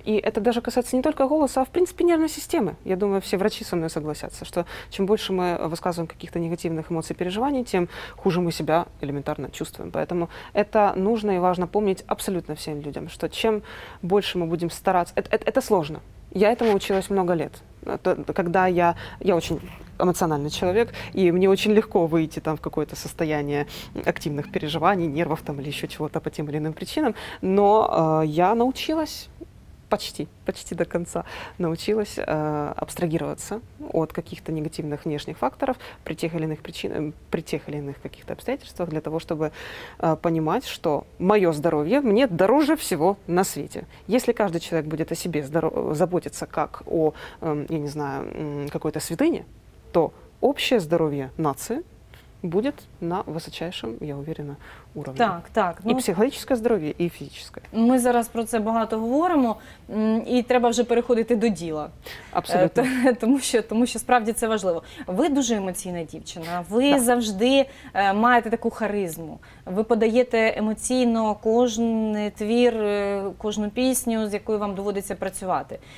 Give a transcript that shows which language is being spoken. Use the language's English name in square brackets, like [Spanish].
[Ukrainian] І це навіть стосується не тільки голосу, а в принципі нервної системи. Я думаю, всі врачі зі мною погодяться, що чим більше ми висказуємо якихось негативних емоцій і переживань, тим хуже ми себе елементарно чуємо. Тому це потрібно і важливо пам'ятати абсолютно всім людям, що чим більше ми будемо старатися, це складно. [Russian] Я этому училась много лет. Когда я очень эмоциональный человек, и мне очень легко выйти там в какое-то состояние активных переживаний, нервов там или еще чего-то по тем или иным причинам. Но я научилась почти до конца научилась абстрагироваться от каких-то негативных внешних факторов при тех или иных причинах, при тех или иных каких-то обстоятельствах, для того, чтобы понимать, что мое здоровье мне дороже всего на свете. Если каждый человек будет о себе заботиться как о, я не знаю, какой-то святыне, то общее здоровье нации буде на височайшому, я уверена, уровні. [Ukrainian] Так, так. Ну, і психологічне здоров'я, і фізичне. Ми зараз про це багато говоримо, і треба вже переходити до діла. Абсолютно. Тому що справді це важливо. Ви дуже емоційна дівчина, ви так. Завжди маєте таку харизму. Ви подаєте емоційно кожен твір, кожну пісню, з якою вам доводиться працювати.